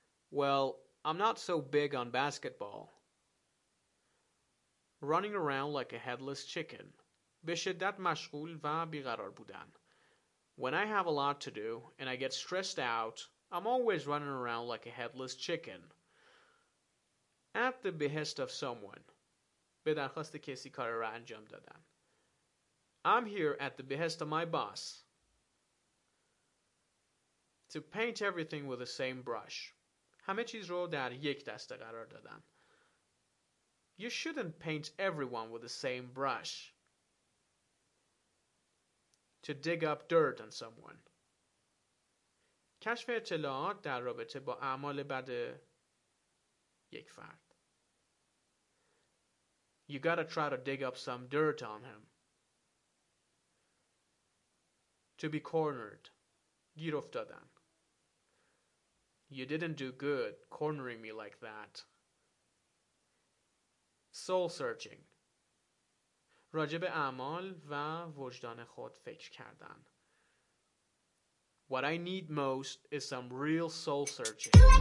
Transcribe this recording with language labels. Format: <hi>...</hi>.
<en>Well, I'm not so big on basketball. Running around like a headless chicken.</en> <fa>به شدت مشغول و بیقرار بودن.</fa> <en>When I have a lot to do and I get stressed out, I'm always running around like a headless chicken. At the behest of someone.</en> <fa>به درخواست کسی کار را انجام دادن.</fa> <en>I'm here at the behest of my boss. To paint everything with the same brush.</en> <fa>همه چیز رو در یک دسته قرار دادن.</fa> <en>You shouldn't paint everyone with the same brush. To dig up dirt on someone.</en> <fa>کشف اطلاعات در رابطه با اعمال بد یک فرد.</fa> <en>You gotta try to dig up some dirt on him. To be cornered.</en> <fa>گیر افتادن.</fa> <en>You didn't do good cornering me like that. Soul searching.</en> <fa>راجع به اعمال و وجدان خود فکر کردن.</fa> <en>What I need most is some real soul searching.</en>